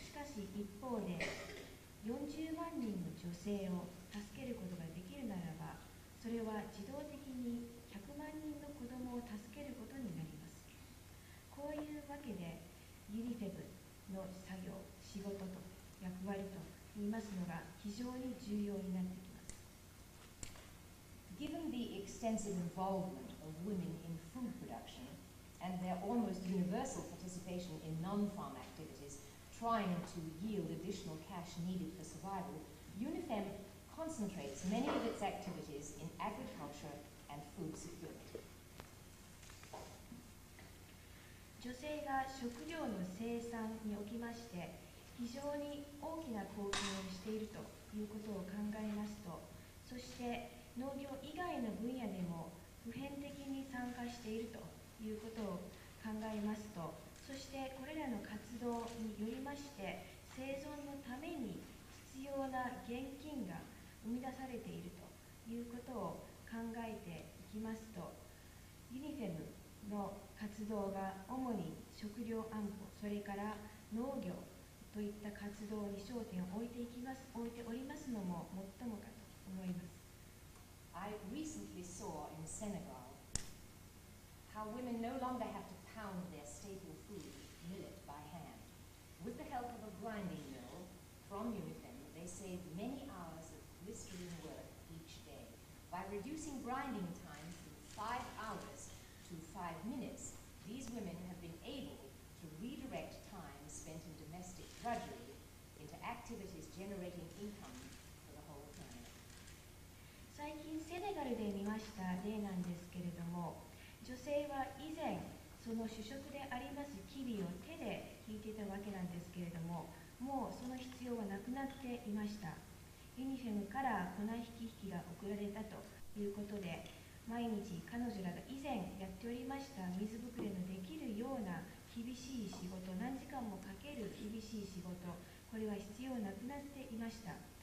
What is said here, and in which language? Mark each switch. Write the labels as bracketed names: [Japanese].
[Japanese] しかし一方で40万人の女性を助けることができるならば、それは自動的に100万人の子供を助けることになります。こういうわけでユニフェブの作業、仕事と役割といいますのが非常に重要になってきます。 [English] Given the extensive involvement of women in food production and their almost universal participation in non-farm activities trying to yield additional cash needed for survival, UNIFEM concentrates many of its activities in agriculture and food security. [Japanese] 女性が食料の生産におきまして非常に大きな貢献をしているということを考えますと、そして農業以外の分野でも普遍的に参加しているということを考えますと、そしてこれらの活動によりまして生存のために必要な現金が生み出されているということを考えていきますと、ユニフェムの活動が主に食料安保、それから農業といった活動に焦点を置いておりますのも最もかと思います。 [English] I recently saw in Senegal how women no longer have to pound their staple food, millet, by hand. With the help of a grinding mill from UNIFEM, they save many hours of blistering work each day. By reducing grinding time from 5 hours to 5 minutes, these women have been able to redirect time spent in domestic drudgery into activities generating income for the whole family. [Japanese] 最近セネガルで見ました例なんですけれども、女性は以前その主食でありますキビを手で引いていたわけなんですけれども、もうその必要はなくなっていました。ユニフェムから粉引きが送られたということで、毎日彼女らが以前やっておりました水ぶくれのできるような厳しい仕事、何時間もかける厳しい仕事、これは必要なくなっていました。